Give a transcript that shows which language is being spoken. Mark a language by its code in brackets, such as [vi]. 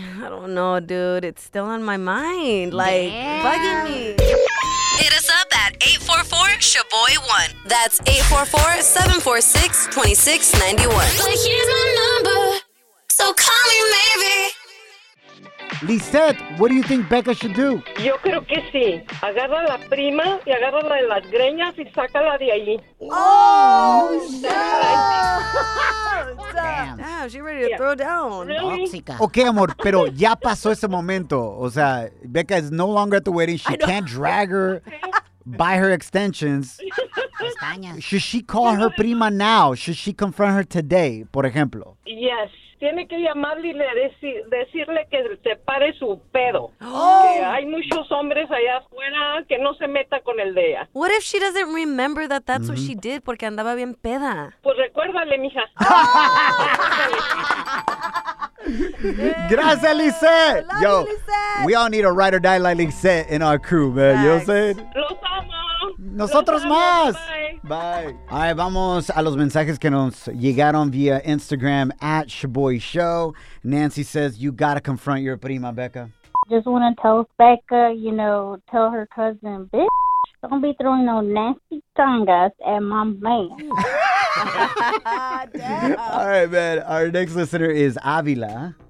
[en] I don't know, dude. It's still on my mind. Like, bugging me. Hit us up at 844-SHABOY1. That's 844-746-2691. But here's my number. So call me, maybe. Lisette, what do you think Becca should do? [es] Yo creo que sí. Agarra la prima y agarra la de las greñas y sácala de ahí. [en] Oh, yeah. Damn. Damn, she's ready to throw down. Really? Tóxica. [es] Okay, amor, pero ya pasó ese momento. [en] O sea, Becca is no longer at the wedding. She can't drag her. Buy her extensions. Should she call her prima now? Should she confront her today, por ejemplo? Yes. [es] Tiene que llamarle y decirle que se pare su pedo. Oh. Que hay muchos hombres allá afuera que no se meta con el de ella. [en] What if she doesn't remember that that's what she did porque andaba bien peda? [es] Pues recuérdale, mija. Oh. Gracias, Lisette. [en] Love Yo, you, Lisette. We all need a ride or die like Lisette in our crew, man. Thanks. You know what I'm saying? [es] Los amo. Nosotros Los amo. Más. [en] Bye. Bye. [es] All right, vamos a los mensajes que nos llegaron via Instagram at Shaboy Show. [en] Nancy says, you got to confront your prima, Becca. Just want to tell Becca, you know, tell her cousin, bitch, don't be throwing no nasty tongas at my man. All right, man. Our next listener is Avila.